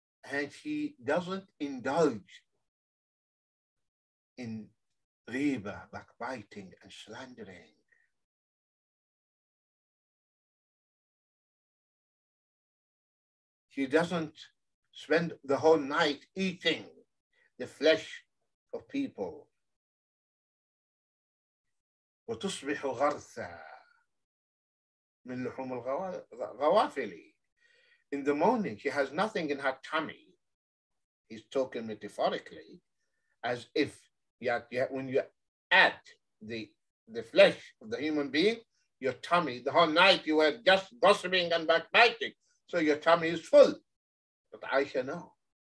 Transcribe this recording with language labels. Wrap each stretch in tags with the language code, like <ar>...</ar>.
<en>And she doesn't indulge in riba, backbiting and slandering. She doesn't spend the whole night eating the flesh of people.</en> <ar>وتصبح غرثا من لحوم الغوافل.</ar> <en>In the morning, she has nothing in her tummy. He's talking metaphorically, as if when you add the flesh of the human being, your tummy, the whole night you were just gossiping and backbiting, so your tummy is full. But Aisha, no.</en>